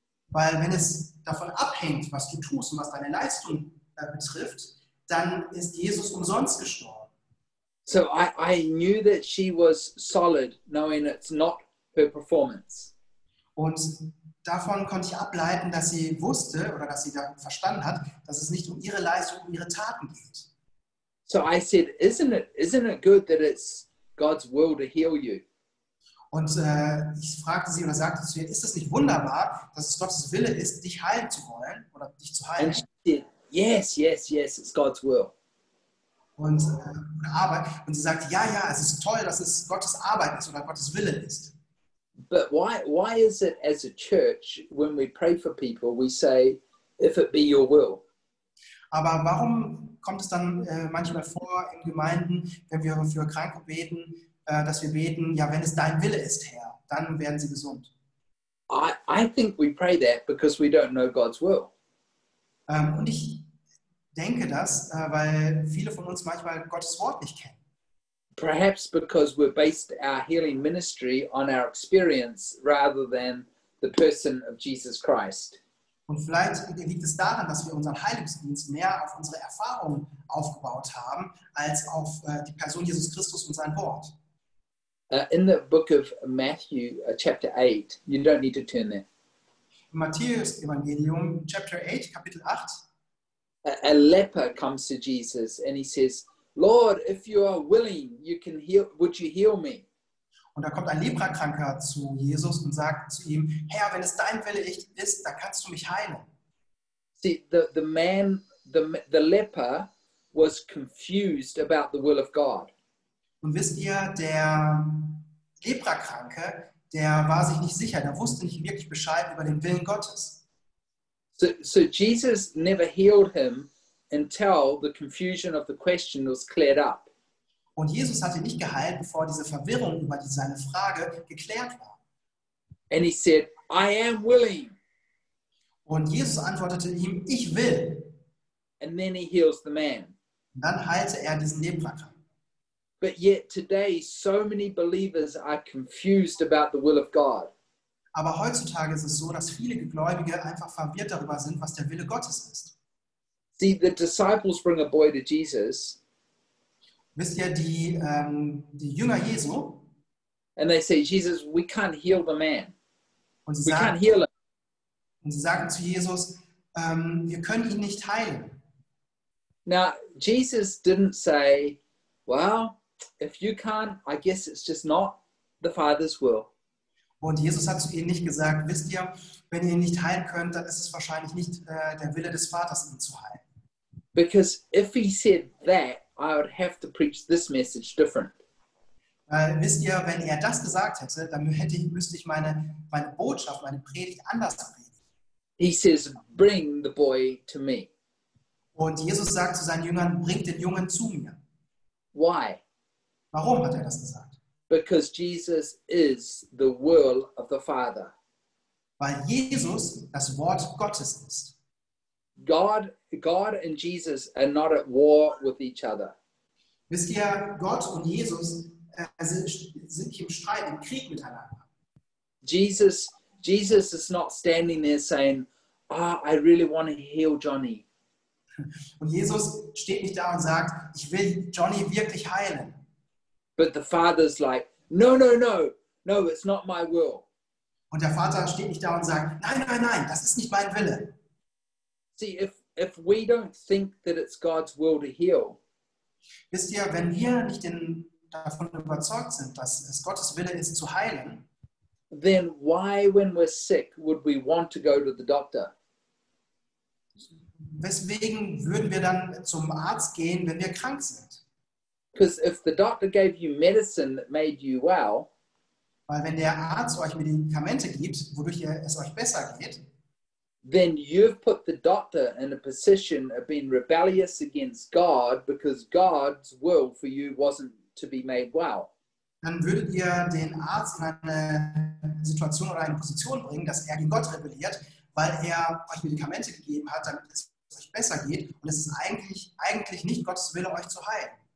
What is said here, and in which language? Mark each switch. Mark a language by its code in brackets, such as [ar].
[de] Weil wenn es davon abhängt, was du tust und was deine Leistung betrifft, dann ist Jesus umsonst gestorben. [en] So I knew that she was solid, knowing it's not her performance. [de] Und davon konnte ich ableiten, dass sie wusste oder dass sie dann verstanden hat, dass es nicht um ihre Leistung, um ihre Taten geht. [en] So I said, isn't it good that it's God's will to heal you? [de] Und ich fragte sie oder sagte zu ihr, ist es nicht wunderbar, dass es Gottes Wille ist, dich heilen zu wollen oder dich zu heilen? [en] And she said, yes, yes, yes, it's God's will. [de] Und sie sagte, ja, es ist toll, dass es Gottes Arbeit ist oder Gottes Wille ist. [en] But why is it as a church, when we pray for people, we say, if it be your will? [de] Aber warum kommt es dann manchmal vor in Gemeinden, wenn wir für Kranke beten, dass wir beten, ja, wenn es dein Wille ist, Herr, dann werden sie gesund. [en] I think we pray that because we don't know God's will. [de] Und ich denke das, weil viele von uns manchmal Gottes Wort nicht kennen. [en] Perhaps because we're based our healing ministry on our experience rather than the person of Jesus Christ. [de] Und vielleicht liegt es daran, dass wir unseren Heilungsdienst mehr auf unsere Erfahrung aufgebaut haben als auf die Person Jesus Christus und sein Wort. [en] In the book of Matthew, chapter 8, you don't need to turn there. [de] Im Matthäus-Evangelium, [en] chapter 8, [de] Kapitel 8. [en] A leper comes to Jesus and he says, Lord, if you are willing, you can heal, would you heal me? [de] Und da kommt ein Leprakranker zu Jesus und sagt zu ihm, Herr, wenn es dein Wille ist, dann kannst du mich heilen. [en] See, the leper was confused about the will of God. [de] Und wisst ihr, der Leprakranke, der war sich nicht sicher, der wusste nicht wirklich Bescheid über den Willen Gottes. [en] So Jesus never healed him until the confusion of the question was cleared up. [de] Und Jesus hatte nicht geheilt, bevor diese Verwirrung über seine Frage geklärt war. [en] And he said, I am willing. [de] Und Jesus antwortete ihm, ich will. [en] And then he heals the man. [de] Und dann heilte er diesen Leprakranken. [en] But yet today, so many believers are confused about the will of God. [de] Aber heutzutage ist es so, dass viele Gläubige einfach verwirrt darüber sind, was der Wille Gottes ist. [en] See, the disciples bring a boy to Jesus. [de] Wisst ihr, die Jünger Jesu? [en] And they say, Jesus, we can't heal the man. [de] Und sie sagen, [en] we can't heal him. [de] Und sie sagen zu Jesus, wir können ihn nicht heilen. [en] Now, Jesus didn't say, well, if you can't, I guess it's just not the Father's will. [de] Und Jesus hat zu ihnen nicht gesagt, wisst ihr, wenn ihr ihn nicht heilen könnt, dann ist es wahrscheinlich nicht der Wille des Vaters, ihn zu heilen. [en] Because if he said that, I would have to preach this message different. [de] Wisst ihr, wenn er das gesagt hätte, dann müsste ich meine Botschaft, meine Predigt anders reden. [en] He says, bring the boy to me. [de] Und Jesus sagt zu seinen Jüngern, bringt den Jungen zu mir. [en] Why? [de] Warum hat er das gesagt? [en] Because Jesus is the will of the Father. [de] Weil Jesus das Wort Gottes ist. [en] God and Jesus are not at war with each other. [de] Wisst ihr, Gott und Jesus sind nicht im Streit, im Krieg miteinander. [en] Jesus is not standing there saying, ah, oh, I really want to heal Johnny. [de] Und Jesus steht nicht da und sagt, ich will Johnny wirklich heilen. [en] But the father's like, no, it's not my will. [de] Und der Vater steht nicht da und sagt, nein, das ist nicht mein Wille. [en] See, if we don't think that it's God's will to heal. [de] Wisst ihr, wenn wir nicht davon überzeugt sind, dass es Gottes Wille ist zu heilen, [en] then why, when we're sick, would we want to go to the doctor? [de] Weswegen würden wir dann zum Arzt gehen, wenn wir krank sind? [en] Because if the doctor gave you medicine that made you well, [de] weil wenn der Arzt euch Medikamente gibt, wodurch es euch besser geht, [en] then you've put the doctor in a position of being rebellious against God because God's will for you wasn't to be made well. [de] Dann würdet ihr den Arzt in eine Situation oder eine Position bringen, dass er gegen Gott rebelliert, weil er euch Medikamente gegeben hat, damit es euch besser geht und es ist eigentlich nicht Gottes Wille, euch zu heilen.